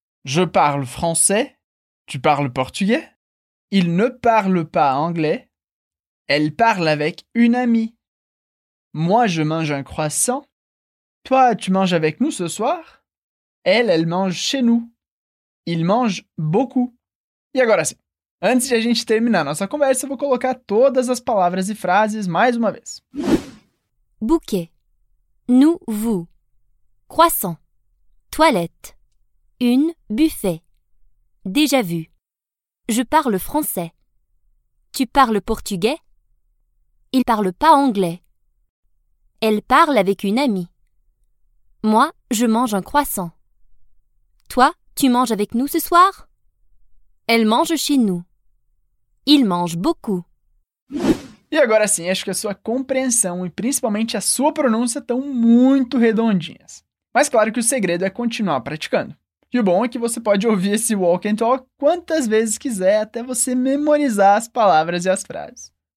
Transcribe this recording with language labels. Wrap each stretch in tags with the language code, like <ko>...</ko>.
<fr>Je parle français. Tu parles portugais. Il ne parle pas anglais. Elle parle avec une amie. Moi, je mange un croissant. Toi, tu manges avec nous ce soir. Elle mange chez nous. Il mange beaucoup. Et</fr> <pt>agora,</pt> <fr>c'est.</fr> <pt>Antes de a gente terminar nossa conversa, eu vou colocar todas as palavras e frases mais uma vez.</pt> <fr>Bouquet. Nous, vous. Croissant. Toilette. Une, buffet. Déjà vu. Je parle français. Tu parles portugais? Il parle pas anglais. Elle parle avec une amie. Moi, je mange un croissant. Toi, tu manges avec nous ce soir? Elle mange chez nous. Il mange beaucoup.</fr> <pt>E agora sim, acho que a sua compreensão e principalmente a sua pronúncia estão muito redondinhas. Mas claro que o segredo é continuar praticando. E o bom é que você pode ouvir esse walk and talk quantas vezes quiser até você memorizar as palavras e as frases.</pt>